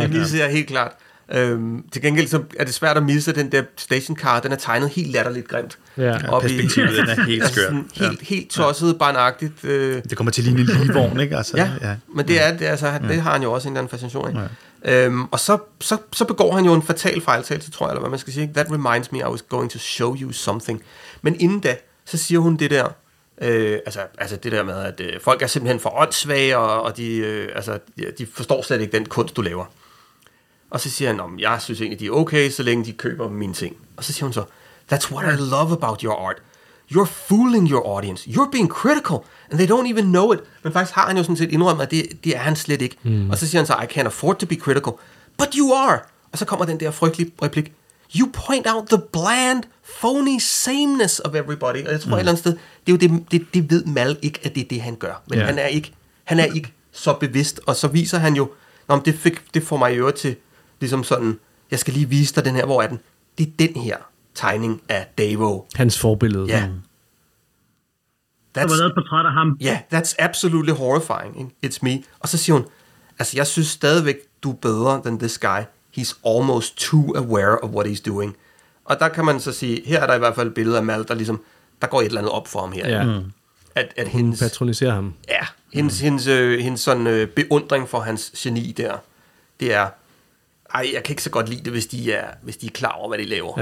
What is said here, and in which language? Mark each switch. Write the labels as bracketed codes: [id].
[da] Det misser jeg helt klart. Til gengæld så er det svært at misse den der stationcar, den er tegnet helt latterligt grimt. Ja, perspektivet den er helt skør. Altså helt tosset, ja. Barnagtigt. Det kommer til lige en lille vogn, ikke? Altså, ja, men det er det, altså, det har han jo også en eller anden fascination i. Ja. Og så begår han jo en fatal fejltagelse, tror jeg, eller hvad man skal sige. [en] That reminds me, I was going to show you something. [da] Men inden da, så siger hun det der, altså det der med, at folk er simpelthen for åndssvage, og de forstår slet ikke den kunst, du laver. Og så siger han, at jeg synes egentlig, de er okay, så længe de køber mine ting. Og så siger hun så, [en] that's what I love about your art. You're fooling your audience. You're being critical, and they don't even know it. [da] Men faktisk har han jo sådan set indrømmet, at det er han slet ikke. Mm. Og så siger han så, [en] I can't afford to be critical. But you are. [da] Og så kommer den der frygtelige replik. [en] You point out the bland, phony sameness of everybody. [da] Og jeg tror et eller andet sted, det er jo det ved Mal ikke, at det er det, han gør. Men yeah. han er ikke så bevidst. Og så viser han jo, det får mig i øvrigt til, ligesom sådan, jeg skal lige vise dig den her, hvor er den? Det er den her tegning af Davo. Hans forbillede. Ja. Der var lavet et portræt af ham. Ja, [en] yeah, that's absolutely horrifying. It's me. [da] Og så siger hun, altså jeg synes stadigvæk, du er bedre [en] than this guy. He's almost too aware of what he's doing. [da] Og der kan man så sige, her er der i hvert fald et billede af Mal, der ligesom, der går et eller andet op for ham her. Ja. At hun patroniserer ham. Ja, hendes beundring for hans geni der, det er, ej, jeg kan ikke så godt lide det, hvis de er klar over, hvad de laver.